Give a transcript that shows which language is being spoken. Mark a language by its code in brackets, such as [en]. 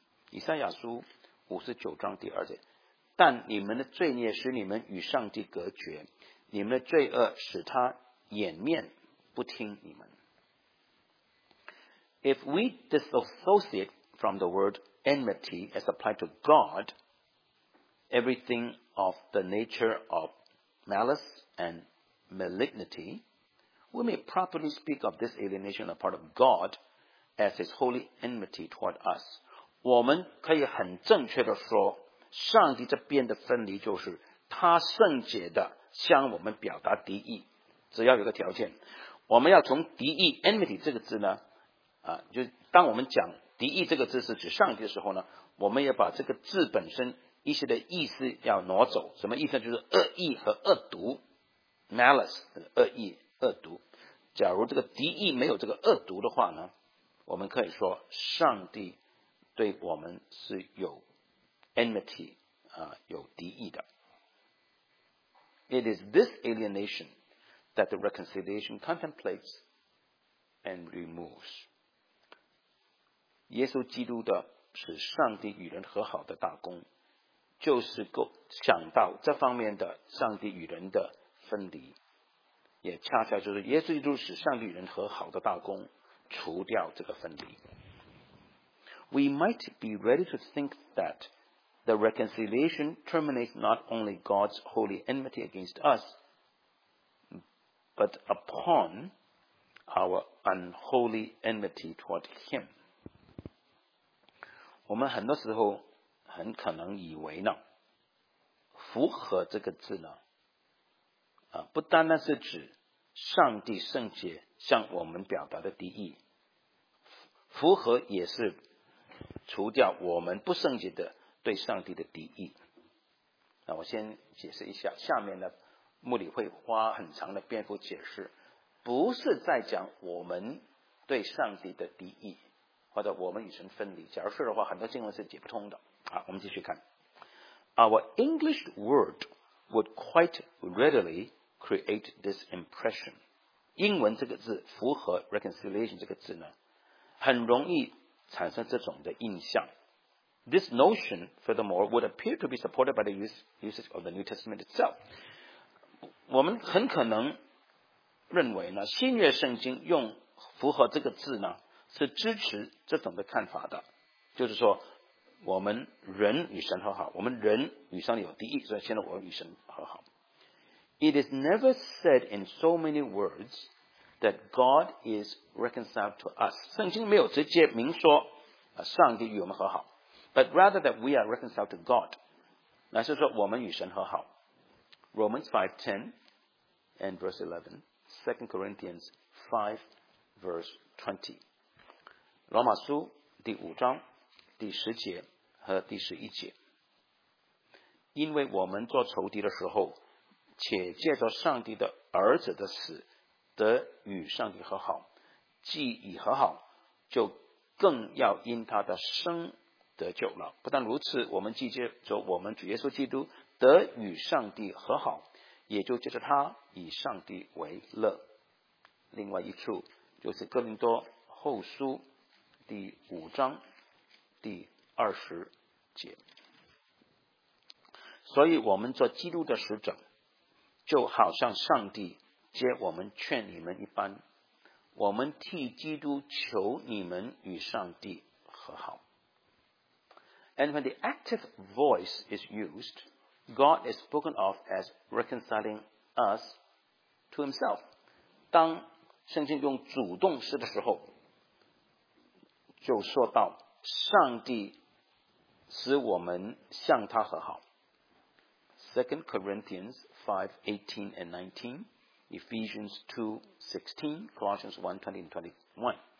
[zh] 以赛亚书59章第二节。但你们的罪孽使你们与上帝隔绝，你们的罪恶使他掩面不听你们。 [en] If we disassociate from the word enmity as applied to God, everything of the nature of malice and malignity, we may properly speak of this alienation on the part of God as his holy enmity toward us. [zh] 我们可以很正确地说上帝这边的分离就是他圣洁地向我们表达敌意。只要有个条件，我们要从敌意 enmity 这个字呢就当我们讲敌意这个字是指上帝的时候呢，我们也把这个字本身一些的意思要挪走。什么意思呢？就是恶意和恶毒 malice 恶意恶毒。假如这个敌意没有这个恶毒的话呢，我们可以说上帝对我们是有 enmity 有敌意的。 [en] It is this alienation that the reconciliation contemplates and removes. [zh] 耶稣基督的使上帝与人和好的大功，就是够想到这方面的上帝与人的分离，也恰恰就是耶稣基督使上帝与人和好的大功除掉这个分离。 [en] We might be ready to think that the reconciliation terminates not only God's holy enmity against us, but upon our unholy enmity toward Him. [zh] 我们很多时候很可能以为呢，符合这个字呢，不单单是指上帝圣洁向我们表达的敌意，符合也是除掉我们不圣洁的对上帝的敌意。那我先解释一下，下面呢牧理会花很长的篇幅解释，不是在讲我们对上帝的敌意，或者我们与神分离。假如是的话，很多经文是解不通的。好，我们继续看。 [en] Our English word would quite readily create this impression. [zh] 英文这个字符合 reconciliation 这个字呢，很容易产生这种的印象。 [en] This notion, furthermore, would appear to be supported by the usage of the New Testament itself. [zh] 我们很可能认为呢，新约圣经用符合这个字呢，是支持这种的看法的，就是说我们人与神和好，我们人与上帝有敌意，所以现在我与神和好。 [en] It is never said in so many words that God is reconciled to us. [zh] 圣经没有直接明说上帝与我们和好， [en] but rather that we are reconciled to God. [zh] 那是说我们与神和好。 [en] Romans 5:10 and verse 11, 2 Corinthians 5 verse 20. [zh] 罗马书第五章第十节和第十一节，因为我们做仇敌的时候，且借着上帝的儿子的死得与上帝和好，既已和好，就更要因他的生得救了。不但如此，我们既借着我们主耶稣基督得与上帝和好，也就借着他以上帝为乐。另外一处就是哥林多后书第五章第二十节，所以我们做基督的使者，就好像上帝接我们劝你们一般，我们替基督求你们与上帝和好。 [en] And when the active voice is used, God is spoken of as reconciling us to himself. [zh] 当圣经用主动式的时候，就说到上帝使我们向他和好。 [en] 2 Corinthians 5:18 and 19, Ephesians 2:16, Colossians 1:20-21,